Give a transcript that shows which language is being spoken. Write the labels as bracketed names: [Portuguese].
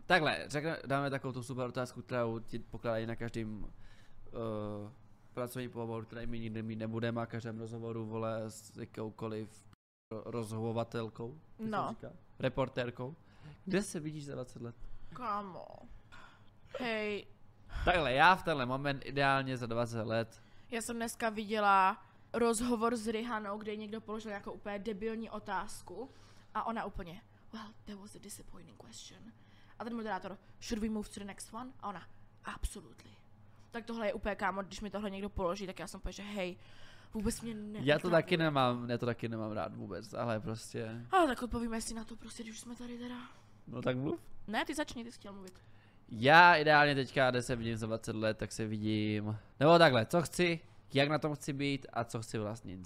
[Czech] Takhle, dáme takovou tu super otázku, kterou ti pokládají na každém pracovním pohovoru, který my nikdy mít nebudeme, a každém rozhovoru, vole, s jakoukoliv rozhovovatelkou, no, reportérkou. Kde se vidíš za 20 let? Kámo, hej. Takhle, já v tenhle moment ideálně za 20 let. Já jsem dneska viděla rozhovor s Rihanou, kde někdo položil nějakou úplně debilní otázku. A ona úplně, [English] well, that was a disappointing question. [Czech] A ten moderátor, [English] should we move to the next one? [Czech] A ona, [English] absolutely. [Czech] Tak tohle je úplně, kámo, když mi tohle někdo položí, tak já jsem úplně, že hej, vůbec mě ne. Já to taky nemám, já to taky nemám rád vůbec, ale prostě. Ale tak odpovíme si na to prostě, když jsme tady teda. No tak mluv. Ne, ty začni, ty jsi chtěl mluvit. Já ideálně teďka, kde se vidím za 20 let, tak se vidím, nebo takhle, co chci, jak na tom chci být a co chci vlastnit.